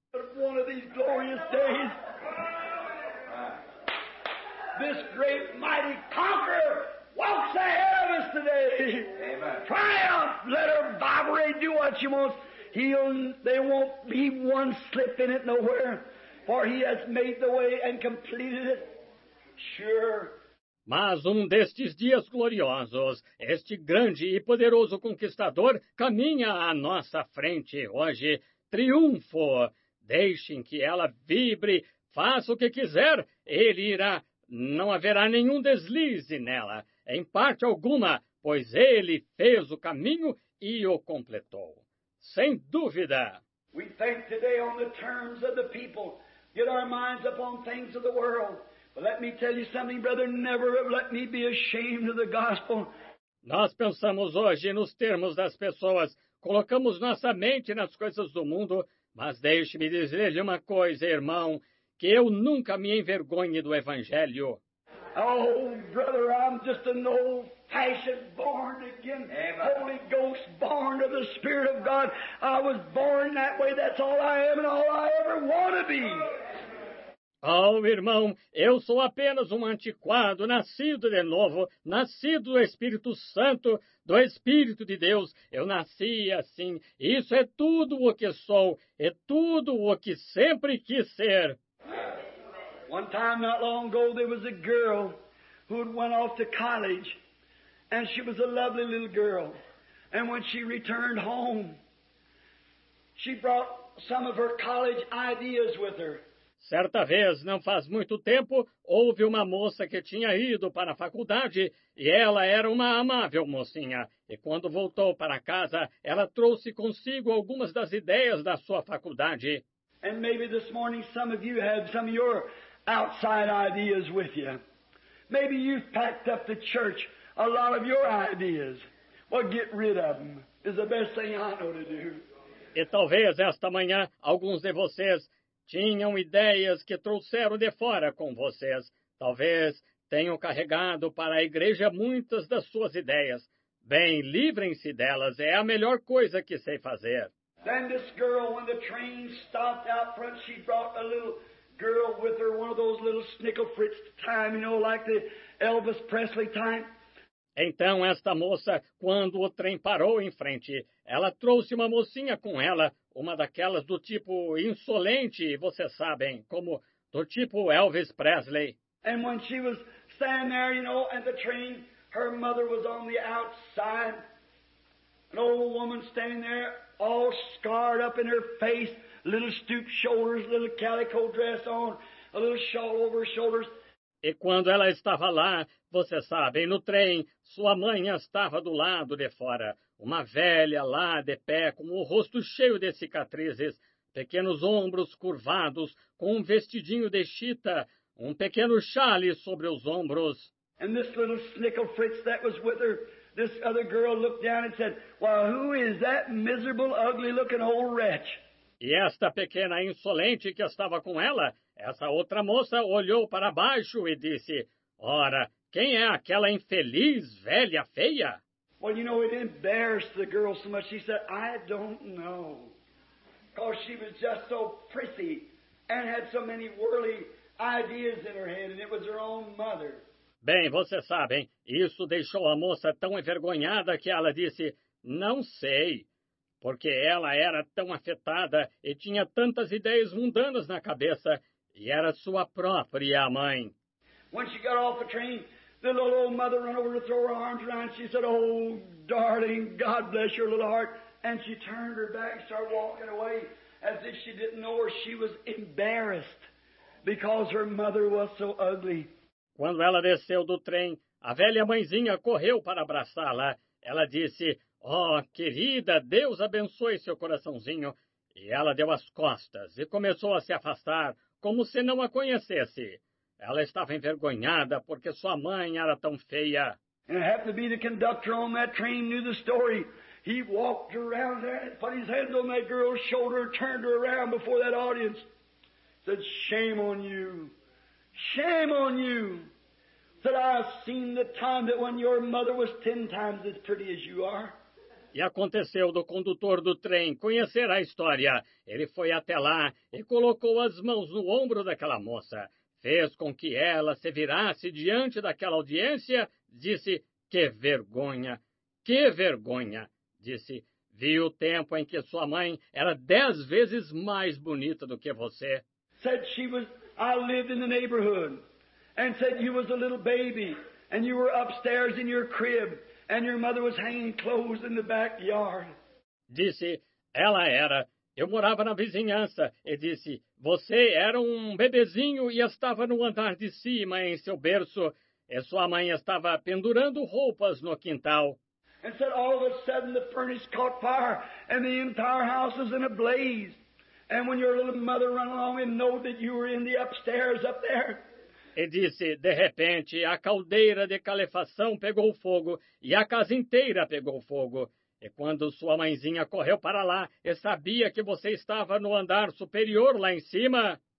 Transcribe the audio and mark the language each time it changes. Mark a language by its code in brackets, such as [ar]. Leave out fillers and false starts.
[en] One of these glorious days, this great mighty conqueror walks ahead of us today. Triumph, let her vibrate, do what she wants. There won't be one slip in it nowhere, for he has made the way and completed it, sure. [pt] Mas destes dias gloriosos, este grande e poderoso conquistador caminha à nossa frente hoje. Triunfo! Deixem que ela vibre, faça o que quiser, ele irá. Não haverá nenhum deslize nela, em parte alguma, pois ele fez o caminho e o completou. Sem dúvida. [en] We think today on the terms of the people, get our minds upon things of the world. But let me tell you something, brother, never let me be ashamed of the gospel. [pt] Nós pensamos hoje nos termos das pessoas, colocamos nossa mente nas coisas do mundo, mas deixe-me dizer-lhe uma coisa, irmão, que eu nunca me envergonhe do evangelho. [en] Oh, brother, I'm just an old fashioned, born again, Holy Ghost, born of the Spirit of God. I was born that way. That's all I am and all I ever want to be. [pt] Oh, irmão, eu sou apenas antiquado, nascido de novo, nascido do Espírito Santo, do Espírito de Deus. Eu nasci assim. Isso é tudo o que sou. É tudo o que sempre quis ser. [en] One time not long ago, there was a girl who had went off to college. And she was a lovely little girl. And when she returned home, she brought some of her college ideas with her. [pt] Certa vez, não faz muito tempo, houve uma moça que tinha ido para a faculdade e ela era uma amável mocinha. E quando voltou para casa, ela trouxe consigo algumas das ideias da sua faculdade. [en] And maybe this morning some of you have some of your outside ideas with you. Maybe you've packed up the church a lot of your ideas. Well, get rid of them is the best thing I know to do. [pt] E talvez esta manhã alguns de vocês tinham ideias que trouxeram de fora com vocês. Talvez tenham carregado para a igreja muitas das suas ideias. Bem, livrem-se delas. É a melhor coisa que sei fazer. [en] Then this girl, when the train stopped out front, she brought a little girl with her, one of those little snickle-fritz time, you know, like the Elvis Presley time. [pt] Então, esta moça, quando o trem parou em frente, ela trouxe uma mocinha com ela, uma daquelas do tipo insolente, vocês sabem, como do tipo Elvis Presley. [en] And when she was standing there, you know, at the train, her mother was on the outside. An old woman standing there, all scarred up in her face, little stooped shoulders, little calico dress on, a little shawl over her shoulders. [pt] E quando ela estava lá, vocês sabem, no trem, sua mãe estava do lado de fora. Uma velha lá, de pé, com o rosto cheio de cicatrizes, pequenos ombros curvados, com um vestidinho de chita, um pequeno xale sobre os ombros. [en] And this little snickle fritz that was with her, this other girl looked down and said, "Well, who is that miserable, ugly-looking old wretch?" [pt] E esta pequena insolente que estava com ela, essa outra moça olhou para baixo e disse, "Ora, quem é aquela infeliz velha feia?" [en] Well, you know, it embarrassed the girl so much. She said, "I don't know." Because she was just so prissy and had so many worldly ideas in her head, and it was her own mother. [pt] Bem, vocês sabem, isso deixou a moça tão envergonhada que ela disse, "Não sei." Porque ela era tão afetada e tinha tantas ideias mundanas na cabeça, e era sua própria mãe. [en] When she got off the train, the little old mother ran over to throw her arms around, and she said, "Oh, darling, God bless your little heart." And she turned her back and started walking away as if she didn't know her. She was embarrassed because her mother was so ugly. [pt] Quando ela desceu do trem, a velha mãezinha correu para abraçá-la. Ela disse, "Oh, querida, Deus abençoe seu coraçãozinho." E ela deu as costas e começou a se afastar, como se não a conhecesse. Ela estava envergonhada porque sua mãe era tão feia. [en] And it happened to be the conductor on that train knew the story. He walked around there, put his hand on that girl's shoulder, turned her around before that audience. Said, "Shame on you. Shame on you." Said, "I've seen the time that when your mother was 10 times as pretty as you are." [pt] E aconteceu do condutor do trem conhecer a história. Ele foi até lá e colocou as mãos no ombro daquela moça. Fez com que ela se virasse diante daquela audiência. Disse, "Que vergonha, que vergonha." Disse, "Vi o tempo em que sua mãe era 10 vezes mais bonita do que você." [en] Said she was, "I lived in the neighborhood." And said, "You was a little baby. And you were upstairs in your crib. And your mother was hanging clothes in the backyard." [pt] Disse, "Ela era. Eu morava na vizinhança." E disse, "Você era um bebezinho e estava no andar de cima em seu berço. E sua mãe estava pendurando roupas no quintal." [en] And said, "All of a sudden the furnace caught fire and the entire house was in a blaze. And when your little mother ran along and knew that you were in the upstairs up there." [pt] E disse, "De repente, a caldeira de calefação pegou fogo e a casa inteira pegou fogo. E quando sua mãezinha correu para lá e sabia que você estava no andar superior lá em cima."